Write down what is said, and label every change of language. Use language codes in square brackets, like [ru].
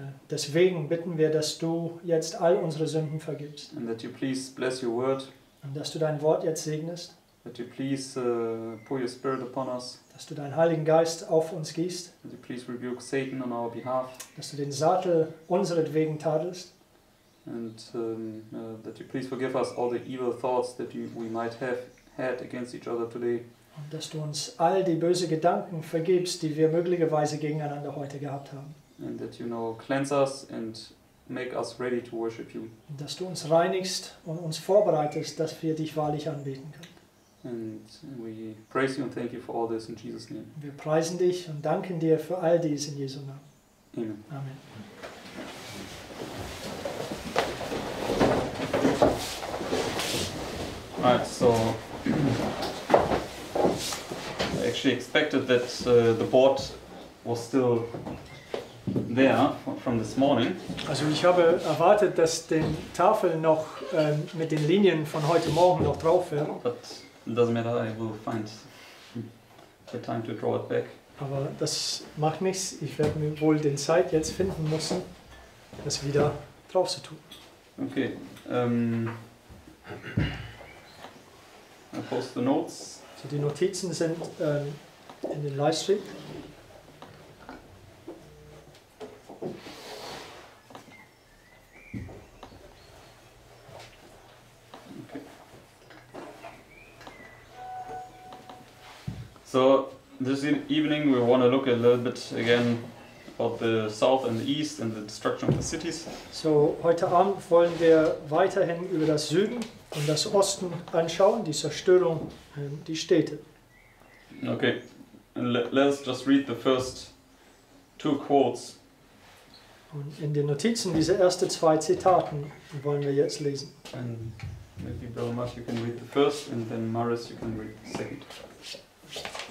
[de] Deswegen bitten wir, dass du jetzt all unsere Sünden vergibst. [en] And that you please bless your word. [de] Und dass du dein Wort jetzt segnest. [en] That you please pour your spirit upon us. [de] Dass du deinen Heiligen Geist auf uns gießt. [en] That you please rebuke Satan on our behalf. [de] Dass du den Satel unseretwegen tadelst. [en] And that you please forgive us all the evil thoughts that we might have had against each other today. [de] Und dass du uns all die bösen Gedanken vergibst, die wir möglicherweise gegeneinander heute gehabt haben. [en] And that you now cleanse us and make us ready to worship you. [de] Und dass du uns reinigst und uns vorbereitest, dass wir dich wahrlich anbeten können. [en] And we praise you and thank you for all this in Jesus' name. [de] Wir preisen dich und danken dir für all dies in Jesu Namen. [en] Amen. [de] Amen. [en] Alright, so I actually expected that the board was still there from this morning. [de] Also ich habe erwartet, dass die Tafel noch mit den Linien von heute Morgen noch drauf wäre. [en] But it doesn't matter, I will find the time to draw it back. [de] Aber das macht nichts, ich werde mir wohl den Zeit jetzt finden müssen, das wieder drauf zu tun. [en] Okay, I post the notes. [de] So die Notizen sind in den Livestream. [en] So this evening we want to look a little bit again about the south and the east and the destruction of the cities. [de] So heute Abend wollen wir weiterhin über das Süden und das Osten anschauen, die Zerstörung, die Städte. [en] Okay, let's just read the first two quotes. [de] Und in den Notizen diese ersten zwei Zitaten wollen wir jetzt lesen. [en] And maybe Brother Mark, you can read the first, and then Maris, you can read the second.